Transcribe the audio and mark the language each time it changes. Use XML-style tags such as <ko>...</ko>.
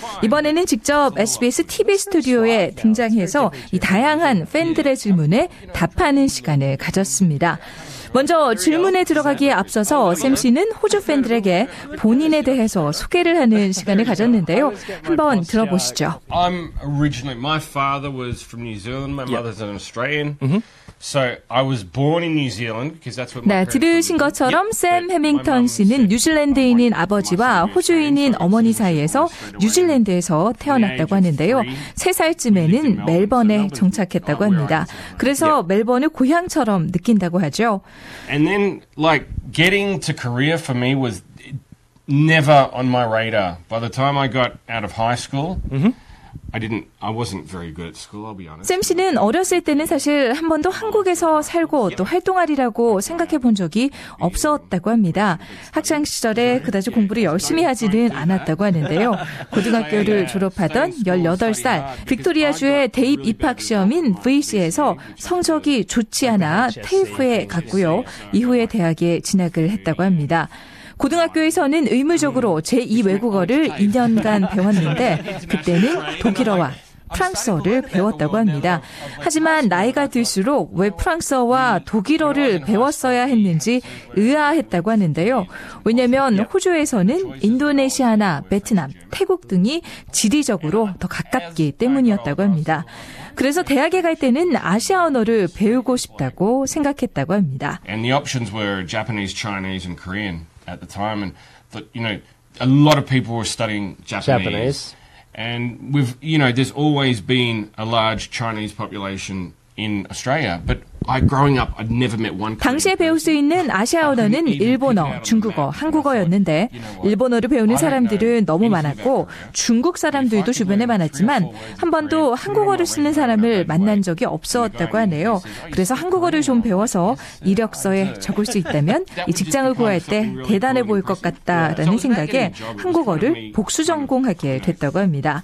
<ko>이번에는 직접 SBS TV 스튜디오에 등장해서 이 다양한 팬들의 질문에 답하는 시간을 가졌습니다. 먼저 질문에 들어가기에 앞서서 샘 씨는 호주 팬들에게 본인에 대해서 소개를 하는 시간을 가졌는데요. 한번 들어보시죠.</ko> <en>I'm originally, my father was from New Zealand. My mother's an Australian. So I was born in New Zealand because that's what my parents.</en> <ko>네, 들으신 것처럼 샘 해밍턴 씨는 뉴질랜드인인 아버지와 호주인인 어머니 사이에서 뉴질랜드에서 태어났다고 하는데요. 세 살쯤에는 멜번에 정착했다고 합니다. 그래서 멜번을 고향처럼 느낀다고 하죠.</ko> <en>And then like getting to Korea for me was never on my radar. By the time I got out of high school, I wasn't very good at school, I'll be honest.</en> <ko>샘 씨는 어렸을 때는 사실 한 번도 한국에서 살고 또 활동하리라고 생각해 본 적이 없었다고 합니다. 학창 시절에 그다지 공부를 열심히 하지는 않았다고 하는데요. 고등학교를 졸업하던 18살, 빅토리아주의 대입 입학 시험인 VC에서 성적이 좋지 않아 TAFE에 갔고요. 이후에 대학에 진학을 했다고 합니다. 고등학교에서는 의무적으로 제2외국어를 2년간 배웠는데 그때는 독일어와 프랑스어를 배웠다고 합니다. 하지만 나이가 들수록 왜 프랑스어와 독일어를 배웠어야 했는지 의아했다고 하는데요. 왜냐하면 호주에서는 인도네시아나 베트남, 태국 등이 지리적으로 더 가깝기 때문이었다고 합니다. 그래서 대학에 갈 때는 아시아 언어를 배우고 싶다고 생각했다고 합니다.</ko> <en>And the options were Japanese, Chinese, and Korean at the time. And the, you know, a lot of people were studying Japanese. And we've, you know, there's always been a large Chinese population in Australia, but I, growing up, I'd never met one.</en> <ko>당시에 배울 수 있는 아시아 언어는 일본어, 중국어, 한국어였는데 일본어를 배우는 사람들은 너무 많았고 중국 사람들도 주변에 많았지만 한 번도 한국어를 쓰는 사람을 만난 적이 없었다고 하네요. 그래서 한국어를 좀 배워서 이력서에 적을 수 있다면 이 직장을 구할 때 대단해 보일 것 같다라는 생각에 한국어를 복수 전공하게 됐다고 합니다.</ko>